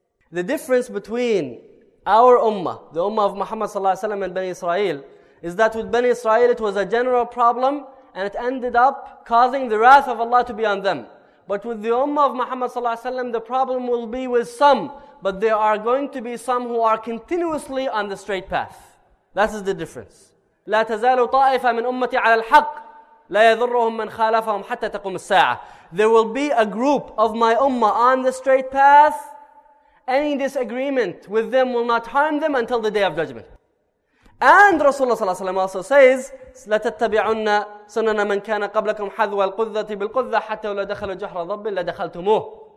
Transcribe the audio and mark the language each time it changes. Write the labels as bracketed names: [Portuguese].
[English] The difference between our ummah, the ummah of Muhammad sallallahu alaihi wasallam, and Bani Israel, is that with Bani Israel it was a general problem and it ended up causing the wrath of Allah to be on them. But with the ummah of Muhammad sallallahu alaihi wasallam, the problem will be with some, but there are going to be some who are continuously on the straight path. That is the difference. [Arabic] لا تزال طائفة من أمتي على الحق لا يضرهم من خالفهم حتى تقوم الساعة. [English] There will be a group of my ummah on the straight path. Any disagreement with them will not harm them until the Day of Judgment. And Rasulullah sallallahu alaihi wasallam also says, [Arabic] لَتَتَّبِعُنَّ سُنَنَ مَنْ كَانَ قَبْلَكُمْ حَذْوَ الْقُذَّةِ بِالْقُذَّةِ حَتَّى لَدَخَلُوا جُحْرَ ضَبٍّ لَدَخَلْتُمُوهُ.